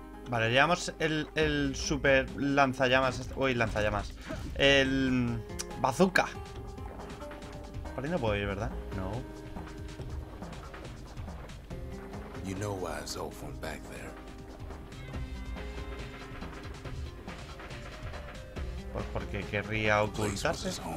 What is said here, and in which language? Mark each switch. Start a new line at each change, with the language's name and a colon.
Spanish: Vale, llevamos el super lanzallamas. Uy, lanzallamas. El bazooka. Por ahí no puedo ir, ¿verdad? No.
English: You know why Zulf went back there.
Spanish: Pues porque querría ocultarse.